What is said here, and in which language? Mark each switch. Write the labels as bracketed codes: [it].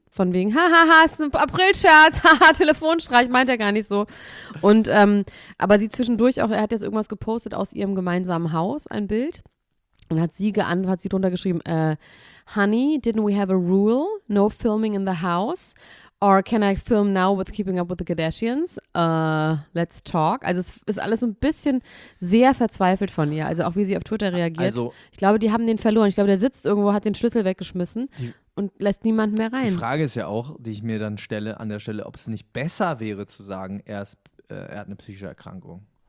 [de] Von wegen, hahaha, ist ein April-Scherz, haha, Telefonstreich, meint er gar nicht so. Und, aber sie zwischendurch auch, er hat jetzt irgendwas gepostet aus ihrem gemeinsamen Haus, ein Bild. Und hat sie geantwortet, hat sie drunter geschrieben, [en] Honey, didn't we have a rule? No filming in the house? Or can I film now with Keeping Up with the Kardashians? Let's talk. [de] Also es ist alles so ein bisschen sehr verzweifelt von ihr. Also auch wie sie auf Twitter reagiert. Also, ich glaube, die haben den verloren. Ich glaube, der sitzt irgendwo, hat den Schlüssel weggeschmissen. Und lässt niemanden mehr rein. Die Frage ist ja auch, die ich mir dann stelle, an der Stelle, ob es nicht besser wäre zu sagen, er hat eine psychische Erkrankung.